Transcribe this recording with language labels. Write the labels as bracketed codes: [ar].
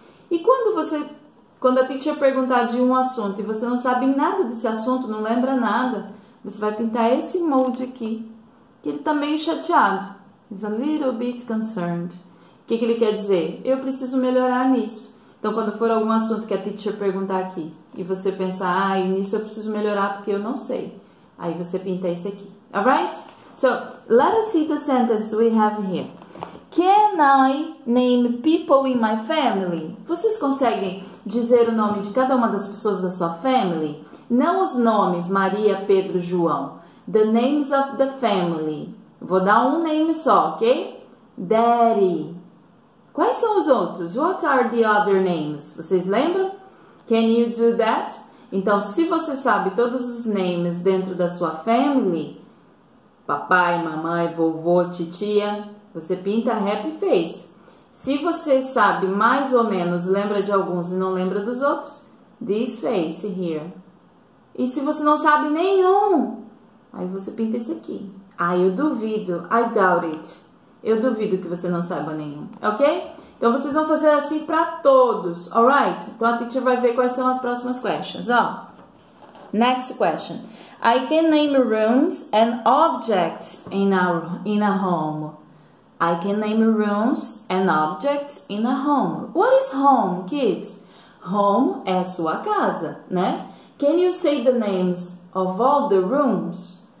[pt] E quando a teacher perguntar de um assunto e você não sabe nada desse assunto, não lembra nada, você vai pintar esse emoji aqui, que ele tá meio chateado. [en] He's a little bit concerned. [pt] O que ele quer dizer? Eu preciso melhorar nisso. Então, quando for algum assunto que a teacher perguntar aqui e você pensar, ah, nisso eu preciso melhorar porque eu não sei. Aí você pinta isso aqui. Alright? [en] So, let us see the sentence we have here. Can I name people in my family? [pt] Vocês conseguem dizer o nome de cada uma das pessoas da sua family? Não os nomes, [en] Maria, Pedro, João. The names of the family. [pt] Vou dar um name só, ok? Daddy. Quais são os outros? [en] What are the other names? [pt] Vocês lembram? [en] Can you do that? [pt] Então, se você sabe todos os names dentro da sua family, papai, mamãe, vovô, titia, você pinta happy face. Se você sabe mais ou menos, lembra de alguns e não lembra dos outros, [en] this face here. [pt] E se você não sabe nenhum, aí você pinta esse aqui. Ah, eu duvido. [en] I doubt it. [pt] Eu duvido que você não saiba nenhum, ok? Então vocês vão fazer assim para todos, alright? Então a teacher vai ver quais são as próximas questions, ó. [en] Next question. I can name rooms and objects in a home. I can name rooms and objects in a home. What is home, kids? [pt] Home é a sua casa, né? [en] Can you say the names of all the rooms?